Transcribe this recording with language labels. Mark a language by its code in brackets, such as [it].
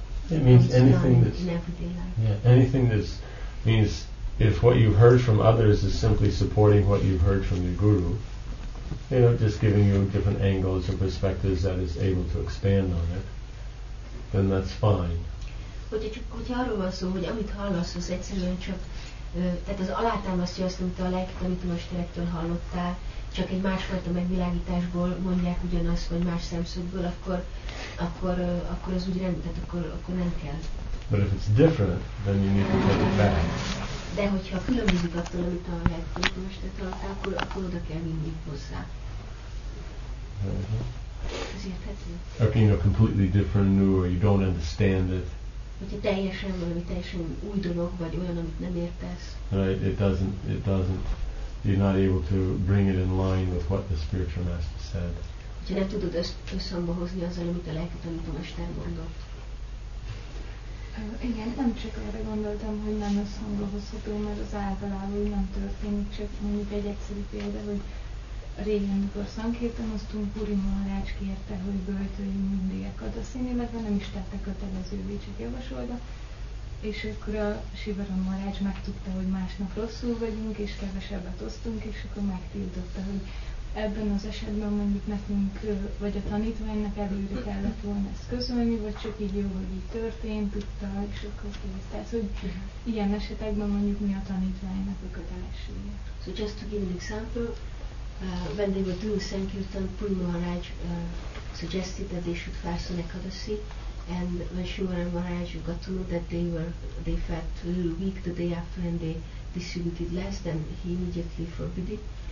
[en] it means anything that's in everyday life? Yeah, anything that's means if what you've heard from others is simply supporting what you've heard from your guru, you know, just giving you different angles or perspectives that is able to expand on it, then that's fine. [hu] Hogyha arról van szó, hogy amit hallasz, az egyszerűen csak, tehát az alátámasztja azt, amit a lelki tanítómesterektől hallottál, csak egy másfajta megvilágításból mondják ugyanazt, vagy más szemszögből, akkor az úgy rendben, akkor nem kell. [en] But if it's different, then you need to take it back. [hu] De hogyha különbözik attól, amit a legtöbbet tartál, akkor oda kell vinni hozzá. Ez érthető? [en] Okay, you know, completely different, new, or you don't understand it. [hu] Hogyha teljesen valami, teljesen új dolog, vagy olyan, amit nem értesz. [en] Right, it doesn't. You're not able to bring it in line with what the spiritual master said. [hu] Hogyha nem tudod összhangba hozni azzal, amit a lelki tanítómester mondott. Igen, nem csak erre gondoltam, hogy nem összhangba hozható, mert az általában nem történik, csak mondjuk egy egyszerű példa, hogy régen, amikor szankirtanoztunk, Puri Maharács kérte, hogy böjtöljünk mindig a kadaszin, illetve nem is tette kötelezővé, csak javasolta. És akkor a Sivaram Maharács megtudta, hogy másnap rosszul vagyunk, és kevesebbet osztunk, és akkor megtiltotta, hogy ebben az esetben mondjuk nekünk, vagy a tanítványnak előre kellett volna ezt közölni, vagy csak így jó, hogy így történt, tudta, és akkor kész. Tehát, hogy ilyen esetekben mondjuk mi a tanítványnak a kötelessége. [en] So just to give an example, when they were doing Sankirtan, Puri Maharaj suggested that they should fasten Ekadasi, and when Sivaram Maharaj got to know that they felt a little weak the day after and they distributed less, then he immediately forbid it.